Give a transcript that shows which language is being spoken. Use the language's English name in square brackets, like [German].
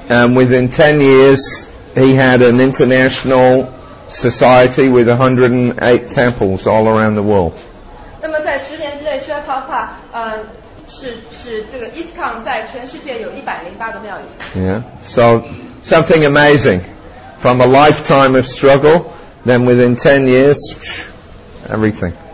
[English] And within 10 years, he had an international society with 108 temples all around the world. [Chinese] 那么在十年之内，薛发发，使这个ISKCON在全世界有108个庙宇。 [English] Yeah, so something amazing, from a lifetime of struggle, then within 10 years, everything.